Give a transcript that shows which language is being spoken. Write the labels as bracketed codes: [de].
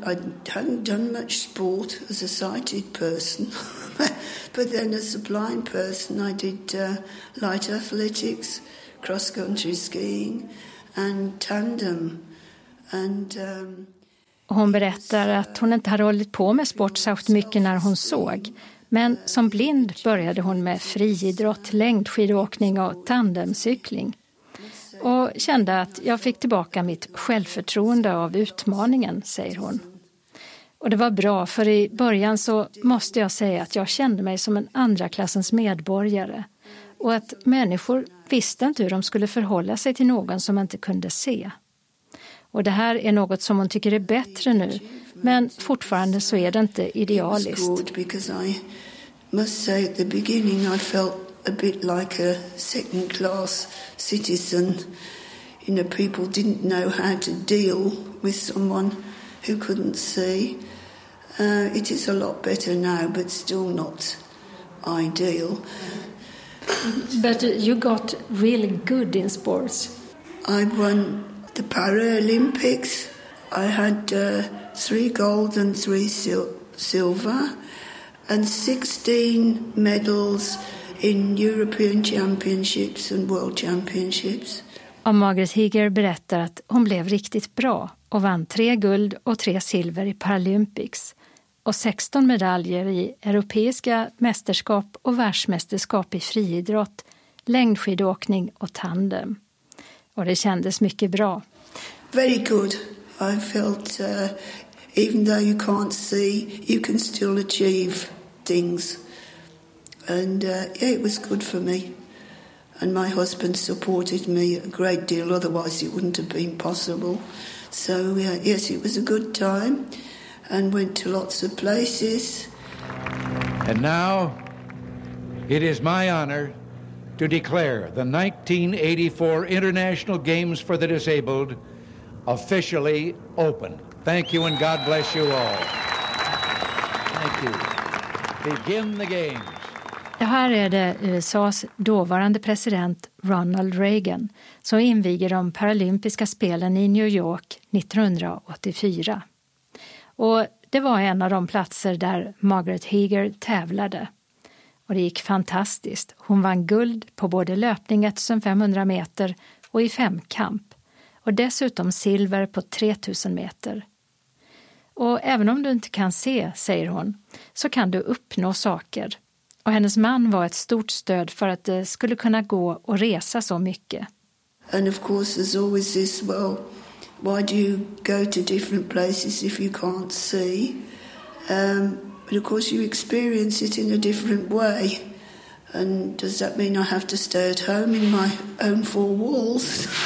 [en] I hadn't done much sport as a sighted person, but then as a blind person, I did light athletics, cross country skiing, and tandem. And [sv] hon berättar att hon inte hade hållit på med sport så mycket när hon såg, men som blind började hon med friidrott, längdskidåkning och tandemcykling. Och kände att jag fick tillbaka mitt självförtroende av utmaningen, säger hon. Och det var bra, för i början så måste jag säga att jag kände mig som en andra klassens medborgare. Och att människor visste inte hur de skulle förhålla sig till någon som inte kunde se. Och det här är något som hon tycker är bättre nu, men fortfarande så är det inte idealiskt. [en] I must say at the beginning I felt a bit like a second class citizen, you know, people didn't know how to deal with someone who couldn't see. It is a lot better now, but still not ideal. But you got really good in sports. I won the Paralympics. I had 3 gold and 3 silver and 16 medals in European Championships and World Championships. [sv] Och Margaret Heger berättar att hon blev riktigt bra och vann 3 guld och 3 silver i Paralympics. och 16 medaljer i europeiska mästerskap och världsmästerskap i friidrott, längdskidåkning och tandem. Och det kändes mycket bra. [en] Very good. I felt even though you can't see, you can still achieve things. And yeah, it was good for me. And my husband supported me a great deal, otherwise it wouldn't have been possible. So yes, it was a good time and went to lots of places. And now it is my honor to declare the 1984 International Games for the Disabled officially open. Thank you and God bless you all. Thank you. Begin the game. [sv] Det här är det USAs dåvarande president Ronald Reagan som inviger de paralympiska spelen i New York 1984. Och det var en av de platser där Margaret Heger tävlade. Och det gick fantastiskt. Hon vann guld på både löpning 1500 meter och i femkamp. Och dessutom silver på 3000 meter. Och även om du inte kan se, säger hon, så kan du uppnå saker. Och hennes man var ett stort stöd för att det skulle kunna gå och resa så mycket. [en] And of course there's always this, well, why do you go to different places if you can't see? But of course you experience it in a different way. And does that mean I have to stay at home in my own four walls?